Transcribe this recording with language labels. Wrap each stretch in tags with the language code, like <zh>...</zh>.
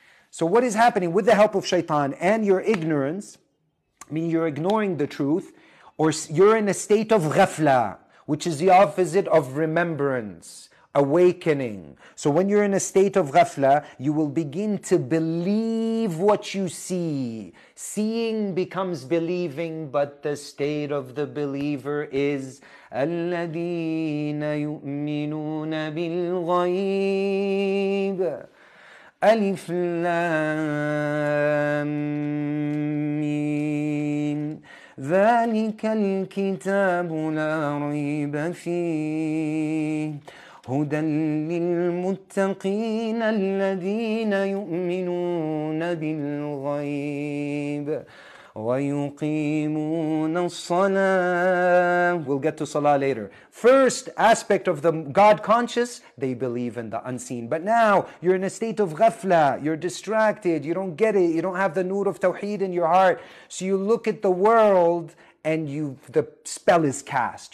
<en>So what is happening with the help of shaitan and your ignorance, I mean you're ignoring the truth, or you're in a state of ghafla, which is the opposite of remembrance, awakening. So when you're in a state of ghafla, you will begin to believe what you see. Seeing becomes believing, but the state of the believer is</en> <ar>الَّذِينَ يُؤْمِنُونَ بِالْغَيْبِ أَلِفْ لَمْ مِّمْ ذَلِكَ الْكِتَابُ لَا رَيْبَ فِيهِ هدى للمتقين الذين يؤمنون بالغيب ويقيمون الصلاة.</ar> <en>We'll get to salah later. First aspect of the God conscious, they believe in the unseen. But now you're in a state of ghafla, you're distracted, you don't get it, you don't have the nur of tawheed in your heart. So you look at the world and the spell is cast.</en>